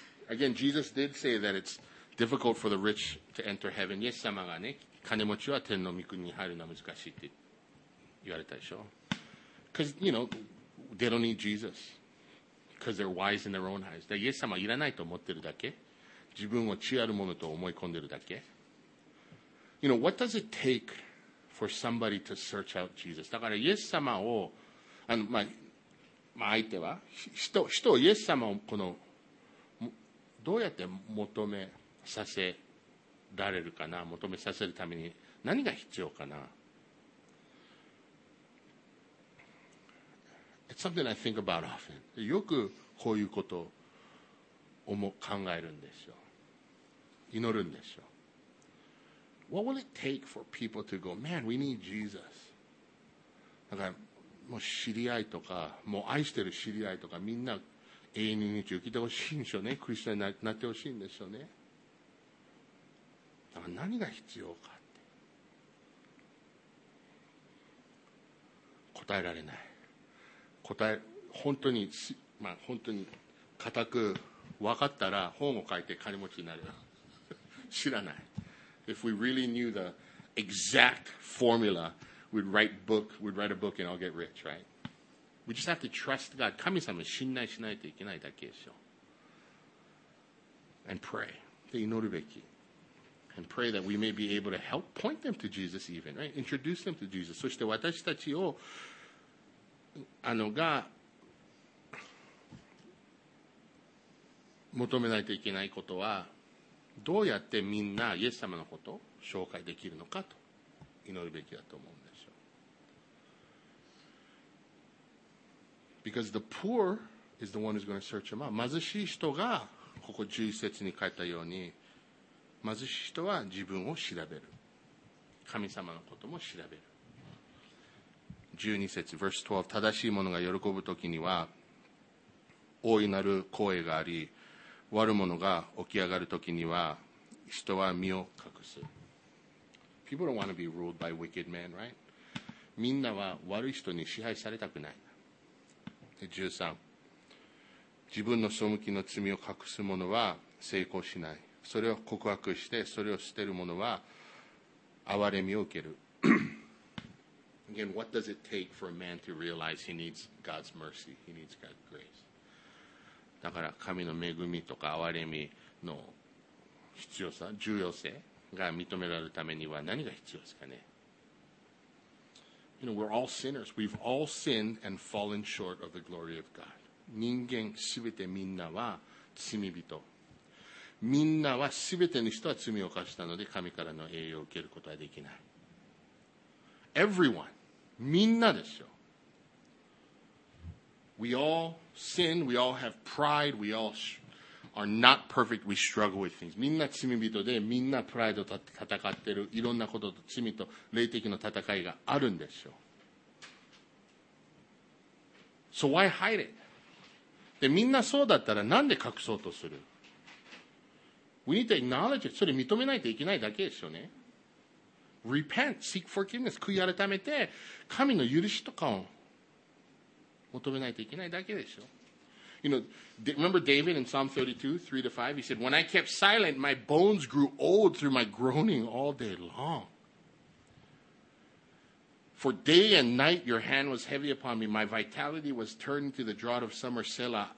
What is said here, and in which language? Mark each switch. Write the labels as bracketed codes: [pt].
[en] Again, Jesus did say that it's difficult for the rich to enter heaven. [ja] イエス様がね、金持ちは天の御国に入るのは難しいって言われたでしょ。 [en] Because, you know, they don't need Jesus. Because they're wise in their own eyes. [ja] イエス様いらないと思ってるだけ。自分を知恵あるものと思い込んでるだけ。 [en] You know, what does it take for somebody to search out Jesus? [ja] だからイエス様を、相手は、人をイエス様をこの、どうやって求めさせられるかな、求めさせるために何が必要かな。 [en] It's something I think about often. [ja] よくこういうことを考えるんですよ。祈るんですよ。 [en] What will it take for people to go, man, we need Jesus? [ja] だからもう知り合いとか、もう愛してる知り合いとか、みんな永遠に生きてほしいんでしょうね。クリスチャンになってほしいんでしょうね。だから何が必要かって。答えられない。本当に、本当に固く分かったら本を書いて金持ちになるよ。知らない。 [en] If we really knew the exact formula, we'd write a book and I'll get rich, right? We just have to trust God. [ja] 神様を信頼しないといけないだけですよ。 [en] And pray. [ja] で、祈るべき。 [en] And pray that we may be able to help point them to Jesus even, right? Introduce them to Jesus. [ja] そして私たちを、が、求めないといけないことは、どうやってみんなイエス様のことを紹介できるのかと祈るべきだと思うんですよ。 [en] Because the poor is the one who's going to search him out. [ja] 貧しい人が、ここ11節に書いたように、貧しい人は自分を調べる。神様のことも調べる。 12節、 [en] verse 12、 [ja] 正しい者が喜ぶときには、大いなる声があり、悪者が起き上がるときには人は身を隠す。 [en] People don't want to be ruled by wicked men, right? [ja] みんなは悪い人に支配されたくない。 13、自分の背きの罪を隠す者は成功しない。それを告白してそれを捨てる者は憐れみを受ける。 [en] Again, what does it take for a man to realize he needs God's mercy? He needs God's grace. [ja] だから神の恵みとか憐れみの必要さ、重要性が認められるためには何が必要ですかね。 [en] You know, we're all sinners. We've all sinned and fallen short of the glory of God. [ja] 人間すべてみんなは罪人。みんなはすべての人は罪を犯したので神からの栄誉を受けることはできない。 [en] Everyone, [ja] みんなですよ。 [en] We all sin, we all have pride, we all are not perfect, we struggle with things. [ja] みんな罪人で、みんなプライドと戦ってる、いろんなことと罪と霊的の戦いがあるんですよ。 [en] So why hide it? [ja] で、みんなそうだったらなんで隠そうとする? [en] We need to acknowledge it. [ja] それ認めないといけないだけですよね。 [en] Repent, seek forgiveness. [ja] 悔い改めて、神の許しとかを求めないといけないだけでしょ。 [en] You know, remember David in Psalm 32, 3 to 5? He said, when I kept silent, my bones grew old through my groaning all day long. For day and night, your hand was heavy upon me. My vitality was turned to the drought of summer, Selah.